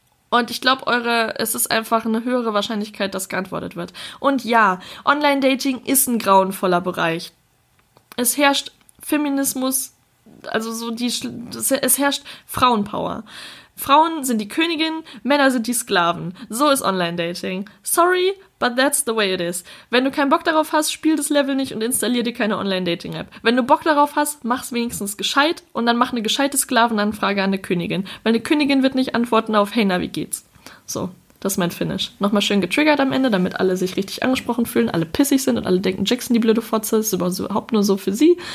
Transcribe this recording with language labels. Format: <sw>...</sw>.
<de>Und ich glaube, es ist einfach eine höhere Wahrscheinlichkeit, dass geantwortet wird. Und ja, Online-Dating ist ein grauenvoller Bereich. Es herrscht Feminismus, also so die, es herrscht Frauenpower. Frauen sind die Königin, Männer sind die Sklaven. So ist Online-Dating.</de> <en>Sorry, but that's the way it is.</en> <de>Wenn du keinen Bock darauf hast, spiel das Level nicht und installier dir keine Online-Dating-App. Wenn du Bock darauf hast, mach's wenigstens gescheit und dann mach eine gescheite Sklavenanfrage an eine Königin. Weil eine Königin wird nicht antworten auf, hey, na, wie geht's? So, das ist mein Finish. Nochmal schön getriggert am Ende, damit alle sich richtig angesprochen fühlen, alle pissig sind und alle denken, Jackson, die blöde Fotze, ist überhaupt nur so für sie.</de>